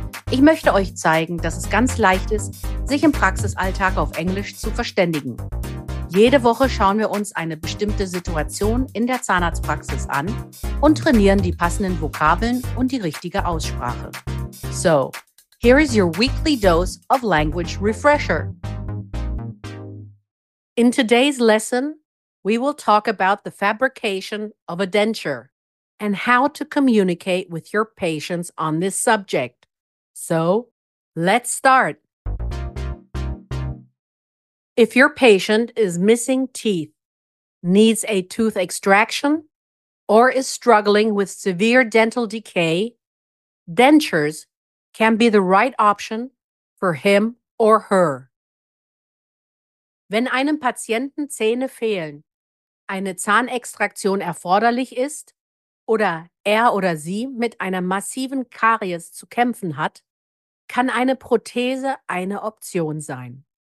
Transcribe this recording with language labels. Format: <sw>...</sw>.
<de>Ich möchte euch zeigen, dass es ganz leicht ist, sich im Praxisalltag auf Englisch zu verständigen. Jede Woche schauen wir uns eine bestimmte Situation in der Zahnarztpraxis an und trainieren die passenden Vokabeln und die richtige Aussprache.</de> <en>So, here is your weekly dose of language refresher. In today's lesson, we will talk about the fabrication of a denture and how to communicate with your patients on this subject. So, let's start. If your patient is missing teeth, needs a tooth extraction, or is struggling with severe dental decay, dentures can be the right option for him or her.</en> <de>Wenn einem Patienten Zähne fehlen, eine Zahnextraktion erforderlich ist oder er oder sie mit einer massiven Karies zu kämpfen hat, kann eine Prothese eine Option sein.</de>